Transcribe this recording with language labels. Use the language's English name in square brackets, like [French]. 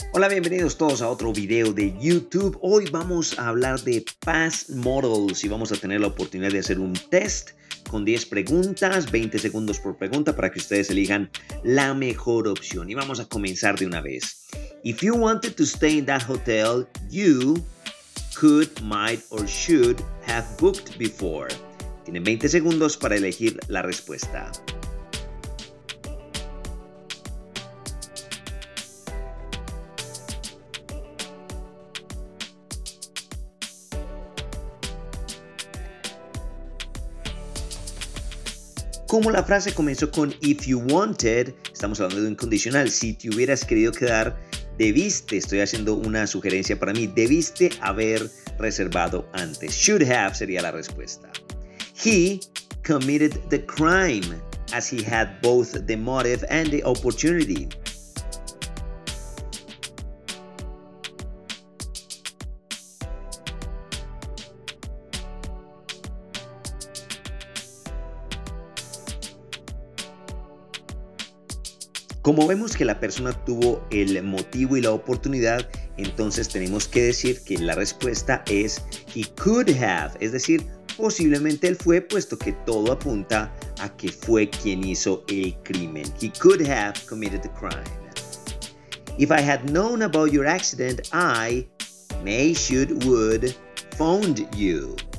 [Spanish] Hola, bienvenidos todos a otro video de YouTube. Hoy vamos a hablar de past models y vamos a tener la oportunidad de hacer un test con 10 preguntas, 20 segundos por pregunta para que ustedes elijan la mejor opción. Y vamos a comenzar de una vez. [English] If you wanted to stay in that hotel, you could, might or should have booked before. [Spanish] Tienen 20 segundos para elegir la respuesta. Como la frase comenzó con [English] if you wanted, [Spanish] estamos hablando de un condicional. Si te hubieras querido quedar, debiste, estoy haciendo una sugerencia para mí, debiste haber reservado antes. [English] Should have [Spanish] sería la respuesta. [English] He committed the crime as he had both the motive and the opportunity. [Spanish] Como vemos que la persona tuvo el motivo y la oportunidad, entonces tenemos que decir que la respuesta es [English] he could have, [Spanish] es decir, posiblemente él fue, puesto que todo apunta a que fue quien hizo el crimen. [English] He could have committed the crime. If I had known about your accident, I may, should, would, phoned you.